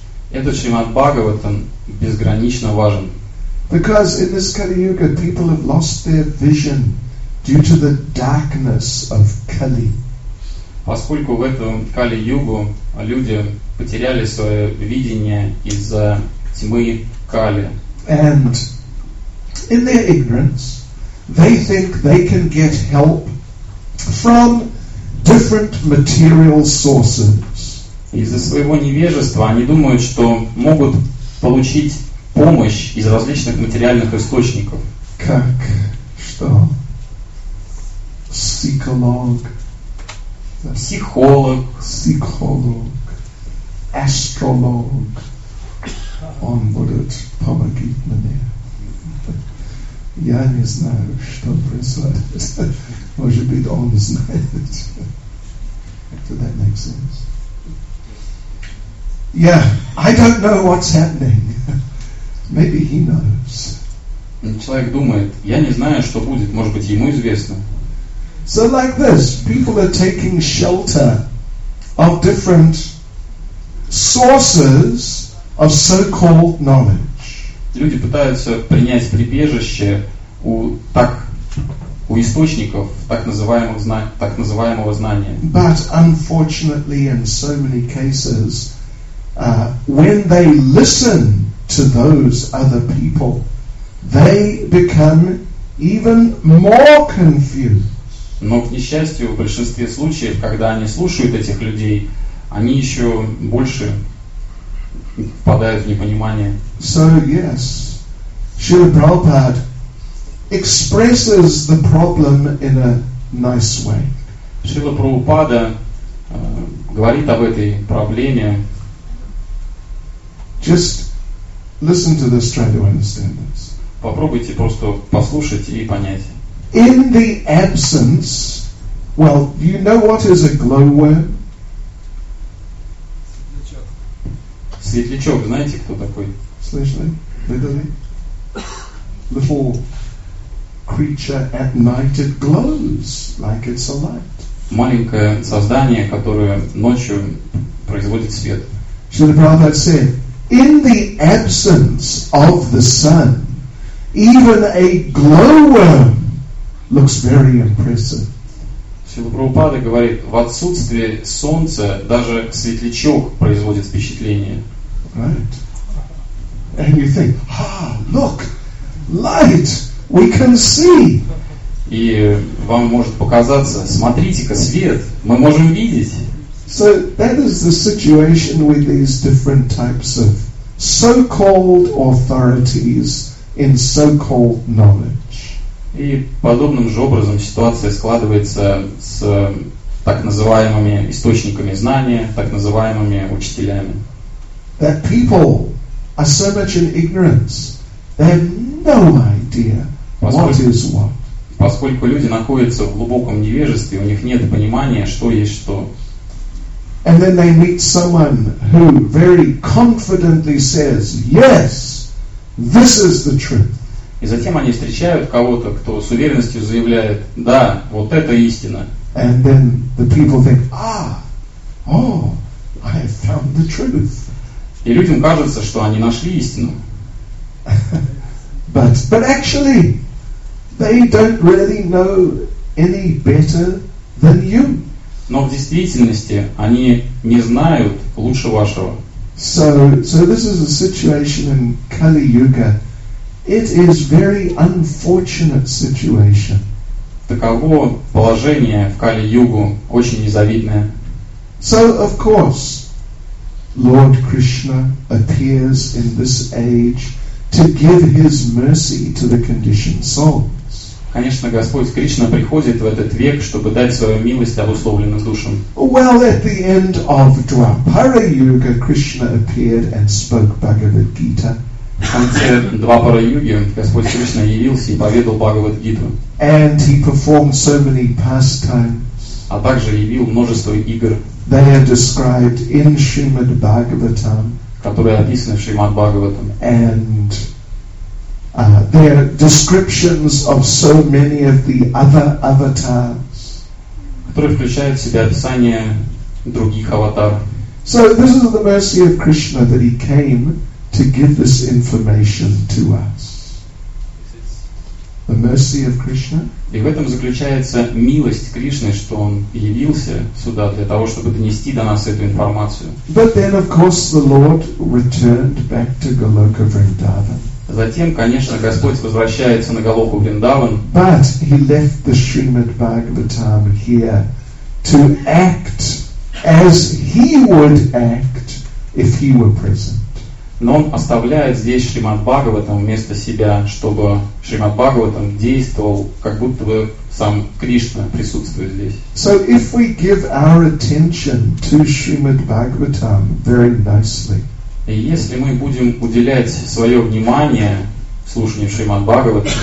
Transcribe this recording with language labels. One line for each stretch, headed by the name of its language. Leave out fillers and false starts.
Russian: Этот Шримад Бхагаватам безгранично важен.
English: Because in this Kali Yuga, people have lost their vision due to the darkness of Kali.
Russian: Поскольку в этом Кали Югу люди потеряли свое видение из-за тьмы Кали.
English: And in their ignorance, they think they can get help from different material sources.
Russian: Из-за своего невежества они думают, что могут получить помощь из различных материальных источников. Как? Что? Психолог. Психолог. Психолог. Астролог. Он будет помогать мне. Я не знаю, что происходит. Может быть, он знает.
English: So that makes sense. Yeah, I don't know what's happening. Maybe he knows.
Russian: Человек думает, я не знаю, что будет. Может быть, ему известно.
English: So like this, people are taking shelter of different sources of so-called knowledge.
Russian: Люди пытаются принять прибежище у источников так называемого знания.
English: But unfortunately, in so many cases, when they listen to those other people, they become even more confused.
Russian: Но, к несчастью, в большинстве случаев, когда они слушают этих людей, они еще больше впадают в непонимание.
English: So, yes, Srila Prabhupada expresses the problem in a nice way.
Russian: Srila Prabhupada говорит об этой проблеме.
English: Just listen to this, try to understand this.
Russian: Попробуйте просто послушать и понять.
English: In the absence, well, do you know what is a glowworm?
Russian: Светлячок. Знаете, кто такой? Слышали? Видели?
English: Little creature at night, it glows like it's a light.
Russian: Маленькое создание, которое ночью производит свет.
English: Srila Prabhupada said, in the absence of the sun, even a glowworm looks very impressive.
Russian: Шрила Прабхупада говорит, в отсутствие солнца даже светлячок производит впечатление.
English: Right. And you think, look, light, we can see.
Russian: И вам может показаться, смотрите-ка, свет, мы можем видеть.
English: So that is the situation with these different types of so-called authorities in so-called knowledge.
Russian: И подобным же образом ситуация складывается с так называемыми источниками знания, так называемыми учителями.
English: That people are so much in ignorance, they have no idea what is what.
Russian: Поскольку люди находятся в глубоком невежестве, у них нет понимания, что есть что.
English: And then they meet someone who very confidently says, yes, this is the truth.
Russian: И затем они встречают кого-то, кто с уверенностью заявляет, да, вот это истина.
English: And then the people think, I have found the truth.
Russian: И людям кажется, что они нашли истину.
English: But actually, they don't really know any better than you.
Russian: Но в действительности они не знают лучше вашего.
English: So this is a situation in Kali-Yuga. It is very unfortunate situation.
Russian: Таково положение в Кали-Югу, очень незавидное.
English: So, of course, Lord Krishna appears in this age to give his mercy to the conditioned souls.
Russian: Конечно, Господь Кришна приходит в этот век, чтобы дать свою милость обусловленным душам.
English: Well, at the end of Dwapara Yuga, Krishna appeared and spoke Bhagavad Gita.
Russian: В конце Двапара-юги Господь Кришна явился и поведал Бхагавад-гиту.
English: And he performed so many pastimes.
Russian: А также явил множество игр.
English: They are described in Srimad Bhagavatam.
Russian: Которые описаны в Шримад Бхагаватам.
English: And there are descriptions of so many of the other avatars.
Russian: Которые включают в себя описание других аватаров.
English: So this is the mercy of Krishna that he came to give this information to us. The mercy of Krishna.
Russian: И в этом заключается милость Кришны, что он явился сюда для того, чтобы донести до нас эту информацию.
English: But then, of course, the Lord returned back to Goloka Vrindavan.
Russian: Затем, конечно, Господь возвращается на Голоку Вриндаван.
English: But he left the Srimad Bhagavatam here to act as he would act if he were present.
Russian: Но он оставляет здесь Шримад Бхагаватам вместо себя, чтобы Шримад Бхагаватам действовал, как будто бы сам Кришна присутствует здесь.
English: So if we give our attention to Srimad Bhagavatam very nicely.
Russian: И если мы будем уделять свое внимание слушанию Шримад Бхагаватам,